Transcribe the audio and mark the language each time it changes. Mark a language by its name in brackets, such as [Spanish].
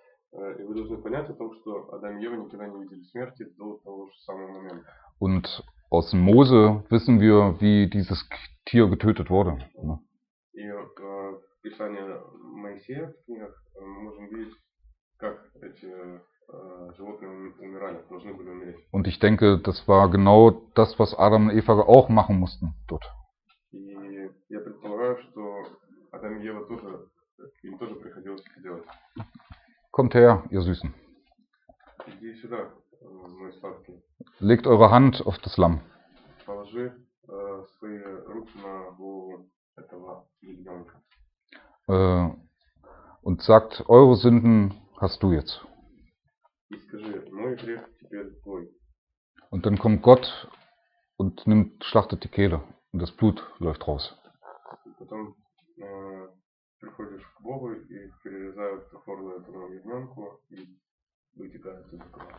[Russian] И вы должны понять о том, что Адам и Ева никогда не видели смерти до того же самого момента. [German] Und aus Mose wissen wir, wie dieses Tier getötet wurde. [Russian] И в Писании Моисея, в книгах, мы можем видеть, как эти животные умирали, должны были умереть. [German] Und ich denke, das war genau das, was Adam und Eva auch machen mussten dort. [Russian] И я предполагаю, что Адам и Ева тоже, им тоже приходилось это делать. [German] Kommt her, ihr Süßen. [Russian] Geh сюда, мой сладкий. [German] Legt eure Hand auf das Lamm. [Russian] Положи свои руки на голову этого ягненка. [German] Und sagt, eure Sünden hast du jetzt. [Russian] И скажи, мой грех теперь твой. [German] Und dann kommt Gott und nimmt, schlachtet die Kehle und das Blut läuft raus. [Russian] Потом, приходишь к Богу и перерезают горло этому ягненку и вытекает из крови.